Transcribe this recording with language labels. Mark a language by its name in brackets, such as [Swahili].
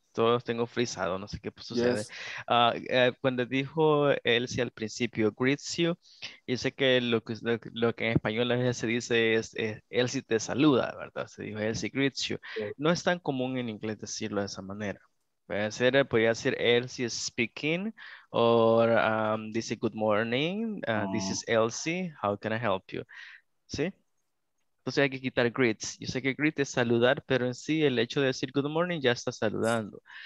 [Spanish] Todos tengo frisado, no sé qué pues, sucede. Yes. Cuando dijo Elsie al principio, [English] greets you, [Spanish] yo sé que lo que en español a veces se dice es Elsie te saluda, ¿verdad? Se dijo Elsie [English] greets you. [Spanish] No es tan común en inglés decirlo de esa manera. Podría decir [English] Elsie speaking, o this is good morning, this is Elsie, how can I help you? [Spanish] ¿Sí? Entonces hay que quitar greets. Yo sé que greet es saludar, pero en sí el hecho de decir [English] good morning [Spanish] ya está saludando.